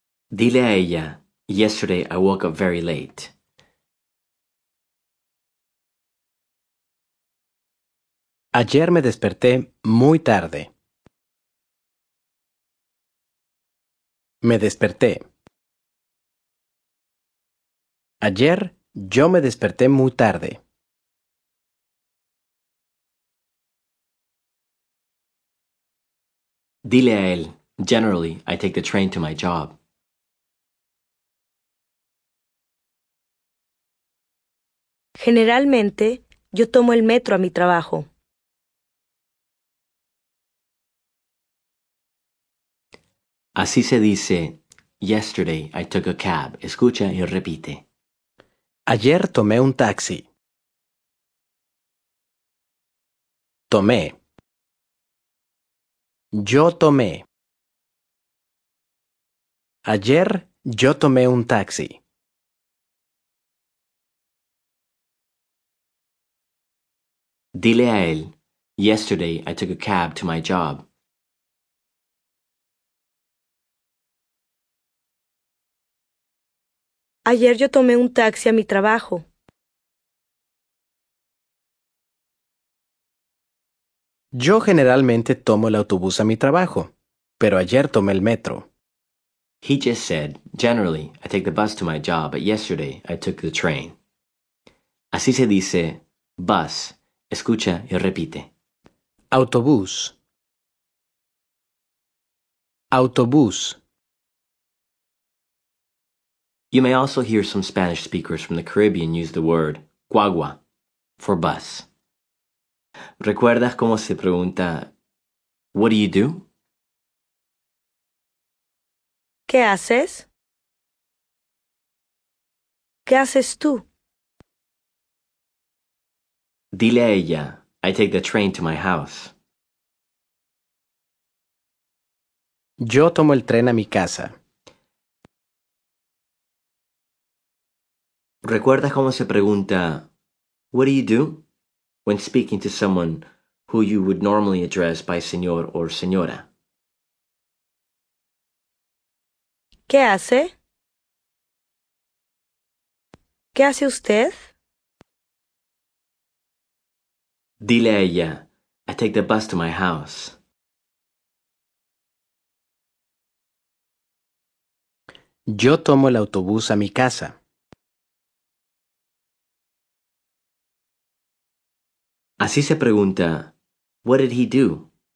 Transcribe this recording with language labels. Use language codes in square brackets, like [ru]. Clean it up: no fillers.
[es] Dile a ella, [en] yesterday I woke up very late. [es] Ayer me desperté muy tarde. Me desperté. Ayer yo me desperté muy tarde. Dile a él, [en] generally, I take the train to my job. [es] Generalmente, yo tomo el metro a mi trabajo. Así se dice, [en] yesterday I took a cab. [es] Escucha y repite. Ayer tomé un taxi. Tomé. Yo tomé. Ayer yo tomé un taxi. Dile a él, [en] yesterday I took a cab to my job. [es] Ayer yo tomé un taxi a mi trabajo. Yo generalmente tomo el autobús a mi trabajo, pero ayer tomé el metro. [en] He just said, generally, I take the bus to my job, but yesterday I took the train. [es] Así se dice, bus. Escucha y repite. Autobús. Autobús. [en] You may also hear some Spanish speakers from the Caribbean use the word guagua for bus. [es] ¿Recuerdas cómo se pregunta, [en] what do you do? [es] ¿Qué haces? ¿Qué haces tú? Dile a ella, [en] I take the train to my house. [es] Yo tomo el tren a mi casa. ¿Recuerdas cómo se pregunta, [en] what do you do? When speaking to someone who you would normally address by señor or señora. [es] ¿Qué hace? ¿Qué hace usted? Dile a ella, [en] I take the bus to my house. [es] Yo tomo el autobús a mi casa. Así se pregunta, [en] what did he do?